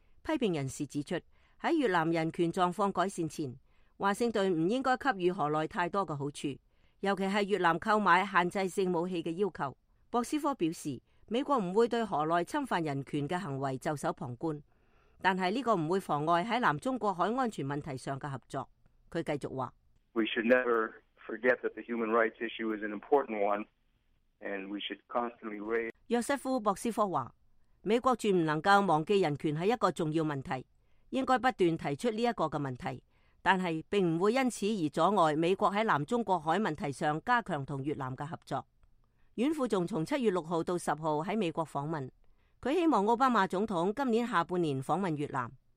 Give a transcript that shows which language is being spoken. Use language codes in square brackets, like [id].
[zh] 批评人士指出，在越南人权状况改善前，华盛顿不应该给予何来太多的好处，尤其是越南购买限制性武器的要求。博斯科表示，美国不会对何来侵犯人权的行为袖手旁观，但是这个不会妨碍在南中国海安全问题上的合作。他继续说， [en] We should never forget that the human rights issue is an important one, and we should constantly raise. [zh] 约瑟夫·博斯科说，美国绝不能够忘记人权是一个重要问题，应该不断提出这个的问题，但是并不会因此而阻碍美国在南中国海问题上加强与越南的合作。阮富仲从7月6日到10日在美国访问，他希望奥巴马总统今年下半年访问越南。